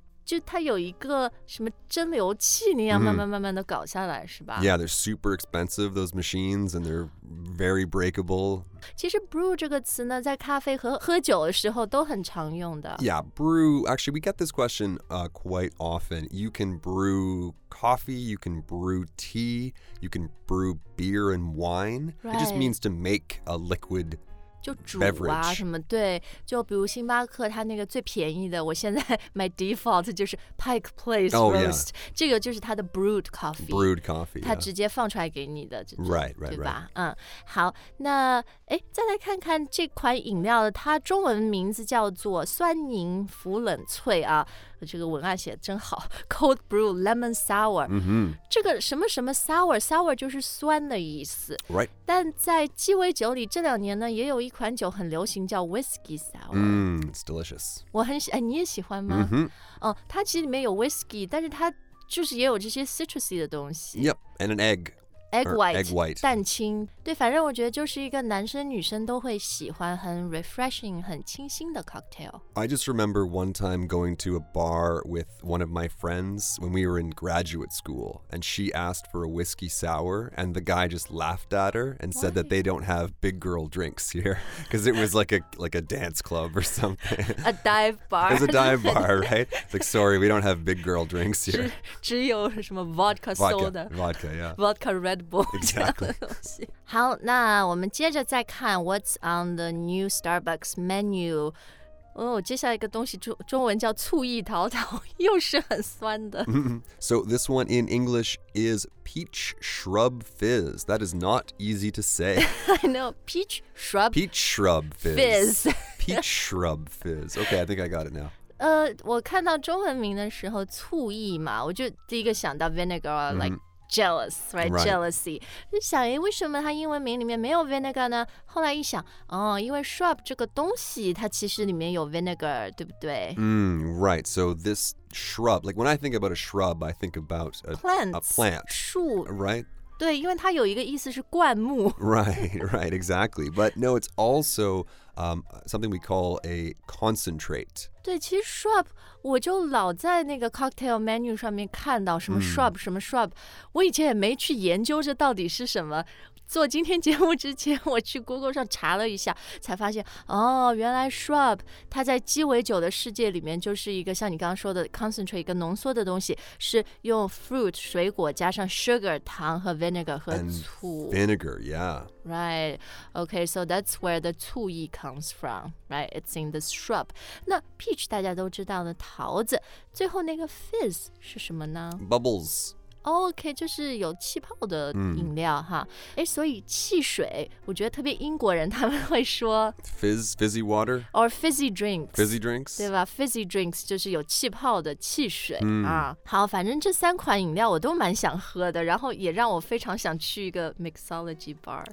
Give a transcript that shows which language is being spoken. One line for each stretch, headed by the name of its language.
Chinese: 就它有一个什么蒸馏器那样慢慢慢慢的搞下来、mm-hmm. 是吧
English: Yeah, they're super expensive, those machines, and they're very breakable.
Chinese: 其实 brew 这个词呢在咖啡和喝酒的时候都很常用的。
English: Yeah, brew, actually we get this question、quite often. You can brew coffee, you can brew tea, you can brew beer and wine.、 Right. It just means to make a liquid beverage.
Chinese: 就煮啊什么对就比如星巴克它那个最便宜的我现在买 default 就是 Pike Place Roast、
English: oh, yeah.
Chinese: 这个就是它的 brewed coffee
English: brewed coffee
Chinese: 它直接放出来给你的、
English: yeah. right, right,
Chinese: 对吧、
English: right.
Chinese: 嗯、好那再来看看这款饮料它中文名字叫做酸柠茯冷萃啊这个文案写真好 Cold Brew Lemon Sour、 mm-hmm. 这个什么什么 Sour Sour 就是酸的意思、
English: right.
Chinese: 但在鸡尾酒里这两年呢也有一款酒很流行叫 Whiskey Sour、
English: mm, It's delicious
Chinese: 我很喜、哎、你也喜欢吗、 mm-hmm. 哦、它其实里面有 Whiskey 但是它就是也有这些 Citrusy 的东西
English: Yep, and an egg Egg white, egg white
Chinese: 蛋清对反正我觉得就是一个男生女生都会喜欢很 refreshing 很清新的 cocktail
English: I just remember one time going to a bar with one of my friends when we were in graduate school and she asked for a whiskey sour and the guy just laughed at her and said、 Why? That they don't have big girl drinks here because it was like a, like a dance club or something a dive bar it was a dive bar right like sorry we don't have big girl drinks here
Chinese: 只有什么 vodka soda
English: vodka yeah vodka redRed Bull exactly.
Chinese: 好那我们接着再看
English: What's on the new Starbucks menu、
Chinese: oh, 接下来一个东西中文叫醋意桃桃又是很酸的、 mm-hmm.
English: So this one in English is Peach Shrub Fizz That is not easy to say I know Peach Shrub Peach Shrub Fizz, fizz. Peach Shrub Fizz Okay I think I got it now
Chinese: 我看到中文名的时候醋意嘛我就第一个想到 Vinegar、mm-hmm.
English: LikeJealous, right? right? Jealousy.
Chinese: 就想诶，为什么它英文名里面没有 vinegar 呢？后来一想，哦，因为 shrub 这个东西，它其实里面有 vinegar， 对不对？
English: Mm, right. So this shrub, like when I think about a shrub, I think about a, Plants, a plant.
Chinese: 树
English: Right?
Chinese: 对，因为它有一个意思是灌木。
English: Right, right, exactly. But no, it's also、something we call a concentrate.
Chinese: 对其实 shrub 我就老在那个 cocktail menu 上面看到什么 shrub、mm. 什么 shrub 我以前也没去研究这到底是什么做今天节目之前我去 Google 上查了一下才发现哦原来 shrub 它在鸡尾酒的世界里面就是一个像你刚刚说的 concentrate 一个浓缩的东西是用 fruit 水果加上 sugar 糖和 vinegar 和醋
English: And vinegar yeah right okay so that's where the 醋意 comes from right it's in the shrub
Chinese: 那Peach 大家都知道的桃子最后那个 fizz 是什么呢
English: Bubbles
Chinese: OK 就是有气泡的饮料、mm. 哈所以汽水我觉得特别英国人他们会说
English: Fizz, fizzy water Or fizzy drinks Fizzy drinks
Chinese: 对吧 fizzy drinks 就是有气泡的汽水、 mm. 啊。好反正这三款饮料我都蛮想喝的然后也让我非常想去一个 mixology bar